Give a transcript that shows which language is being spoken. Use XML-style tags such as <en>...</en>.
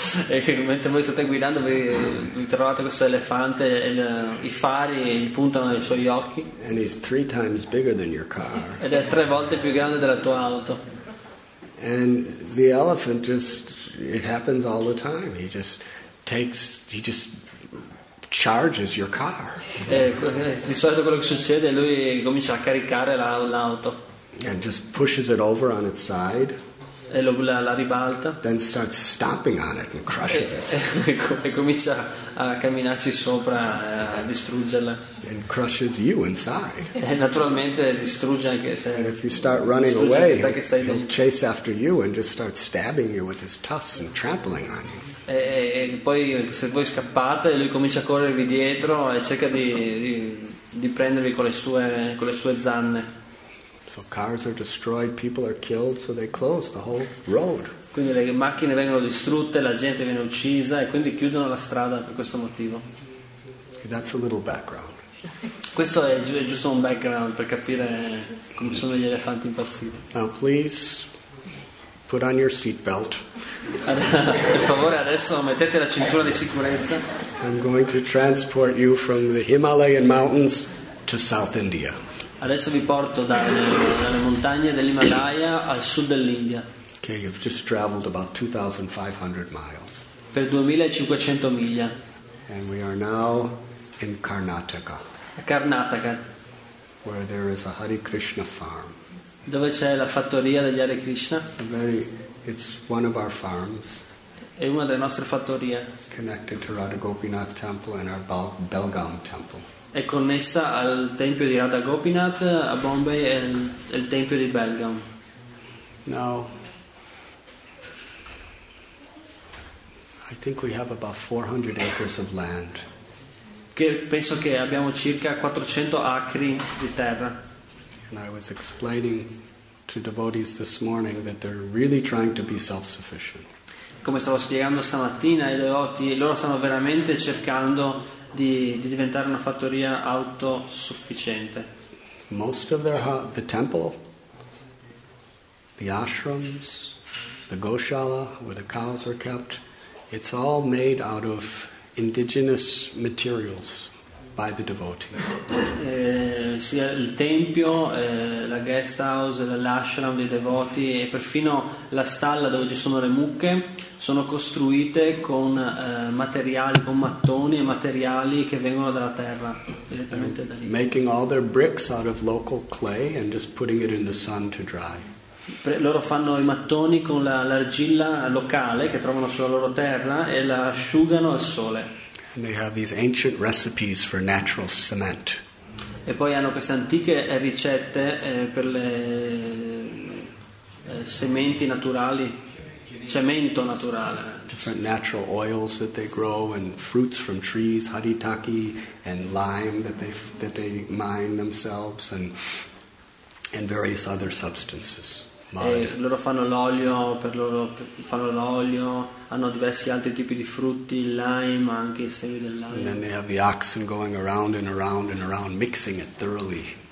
<it>E mentre voi state guidando vi trovate questo elefante e i fari puntano nei suoi occhi.</it> <en>And he's three times bigger than your car.</en> <it>Ed è tre volte più grande della tua auto.</it> <en>And the elephant just, it happens all the time. He just takes, he just charges your car.</en> <it>E di solito quello che succede è lui comincia a caricare l'auto.</it> <en>And just pushes it over on its side.</en> <it>E la ribalta.</it> <en>Then starts stomping on it and crushes it.</en> <it>E comincia a camminarci sopra, a distruggerla.</it> <en>And crushes you inside.</en> <it>E naturalmente distrugge anche se.</it> <en>And if you start running away, he'll chase after you and just start stabbing you with his tusks and trampling on you.</en> <it>E poi se voi scappate, lui comincia a corrervi dietro e cerca di prendervi con le sue zanne.</it> <en>So cars are destroyed, people are killed, so they close the whole road.</en> <it>Quindi le macchine vengono distrutte, la gente viene uccisa e quindi chiudono la strada per questo motivo.</it> <en>That's a little background.</en> <it>Questo è giusto un background per capire come sono gli elefanti impazziti.</it> <en>Now please put on your seat belt.</en> <it>Per favore adesso mettete la cintura di sicurezza.</it> <en>I'm going to transport you from the Himalayan mountains to South India.</en> <it>Adesso vi porto dalle montagne dell'Himalaya al sud dell'India.</it> <en>Okay, you've just traveled about 2,500 miles.</en> <it>Per 2,500 miglia.</it> <en>And we are now in Karnataka.</en> <it>A Karnataka.</it> <en>Where there is a Hare Krishna farm.</en> <it>Dove c'è la fattoria degli Hare Krishna.</it> <en>It's one of our farms.</en> <it>È una delle nostre fattorie.</it> <en>Connected to Radha Gopinath Temple and our Belgaum Temple.</en> <it>È connessa al tempio di Radha Gopinath a Bombay e al tempio di Belgaum.</it> <en>Now, I think we have about 400 acres of land.</en> <it>Che penso che abbiamo circa 400 acri di terra.</it> <en>And I was explaining to devotees this morning that they're really trying to be self-sufficient.</en> <it>Come stavo spiegando stamattina ai devoti, loro stanno veramente cercando di diventare una fattoria autosufficiente.</it> <en>Most of their the temple, the ashrams, the goshala where the cows are kept, it's all made out of indigenous materials. by the devotees.</en> <it>Sia il tempio, la guest house, l'ashram dei devoti e perfino la stalla dove ci sono le mucche sono costruite con materiali, con mattoni e materiali che vengono dalla terra direttamente da lì.</it> <en>Making all their bricks out of local clay and just putting it in the sun to dry.</en> <it>Loro fanno i mattoni con l'argilla locale che trovano sulla loro terra e la asciugano al sole.</it> <en>And they have these ancient recipes for natural cement.</en> <it>E poi hanno queste antiche ricette per le sementi naturali, cemento naturale.</it> <en>Different natural oils that they grow and fruits from trees, haritaki and lime that they mine themselves and various other substances.</en> <it>Loro fanno l'olio per loro fanno l'olio hanno diversi altri tipi di frutti il lime anche i semi del lime.</it> <en>And then they have the oxen going around and around and around mixing it thoroughly.</en>